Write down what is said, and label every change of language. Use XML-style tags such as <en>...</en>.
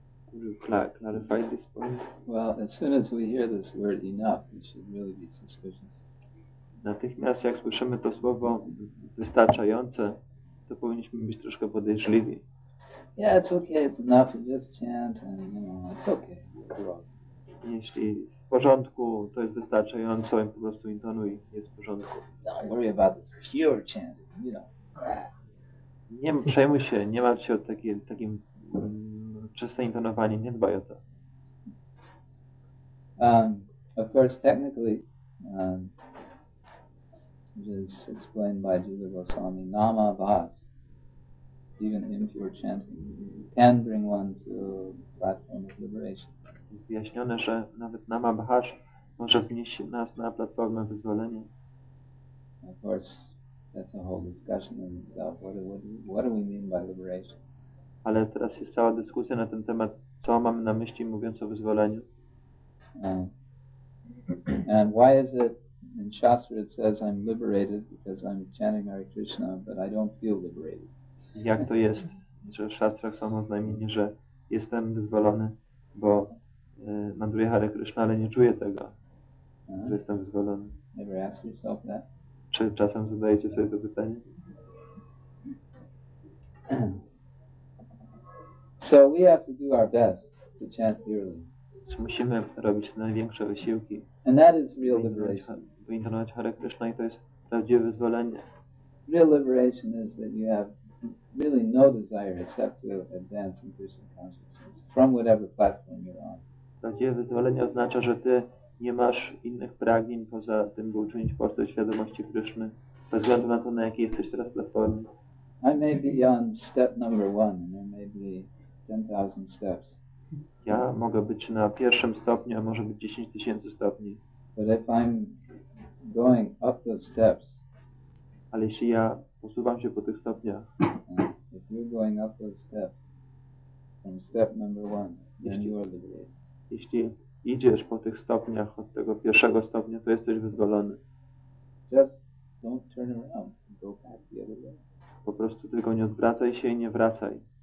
<en>Could you clarify this point? Well, as soon as we hear this word enough, we should really be suspicious.</en> <pl>Natychmiast jak słyszymy to słowo wystarczające, to powinniśmy być troszkę podejrzliwi.</pl> <en>Yeah, it's okay, it's enough, you just chant, and you know, it's okay, you're wrong.</en> <pl>Jeśli w porządku, to jest wystarczająco, i po prostu intonuj, jest w porządku.</pl> <en>Don't worry about this pure chant, you know.</en> <pl>Nie przejmuj się, nie martw się o takim czyste intonowanie, nie dbaj o to.</pl> <en>Of course, technically, which is explained by Jiva Goswami, nama bhaj, even impure chanting, can bring one to platform of liberation.</en> <pl>Jest wyjaśnione, że nawet nama bhaj może wnieść nas na platformę wyzwolenia.</pl> <en>Of course, that's a whole discussion in itself. What do we mean by liberation?</en> <pl>Ale teraz jest cała dyskusja na ten temat, co mamy na myśli, mówiąc o wyzwoleniu.</pl> <en>And why is it in Shastra it says I'm liberated because I'm chanting Hare Krishna, but I don't feel liberated?</en> <pl>Jak to jest, że w szastrach są oznajmienie, że jestem wyzwolony, bo mandruję Hare Krishna, ale nie czuję tego, że jestem wyzwolony.</pl> <en>Never ask yourself that?</en> <pl>Czy czasem zadajecie sobie to pytanie?</pl> <en>So we have to do our best to chant purely.</en> <pl>Czy musimy robić największe wysiłki?</pl> <en>And that is real liberation.</en> <pl>Wyintonować Hare Krishna i to jest prawdziwe wyzwolenie.</pl> <en>Real liberation is that you have really no desire except to advance in Krishna consciousness from whatever platform you're on.</en> <pl>Prawdziwe wyzwolenie oznacza, że ty nie masz innych pragnień poza tym, by uczynić postać świadomości Kryszny, bez względu na to, na jakiej jesteś teraz platformie.</pl> <en>I may be on step number one, and there may be 10,000 steps.</en> <pl>Ja mogę być na pierwszym stopniu, a może być 10 tysięcy stopni.</pl> <en>But if I'm going up the steps,</en> <pl>ale jeśli ja posuwam się po tych stopniach,</pl> <en>if you're going up those steps from step number one, then you are liberated.</en> <pl>Jeśli idziesz po tych stopniach od tego pierwszego stopnia, to jesteś wyzwolony.</pl> <en>Just don't turn around, go back the other way.</en> <pl>Po prostu tylko nie odwracaj się i nie wracaj.</pl>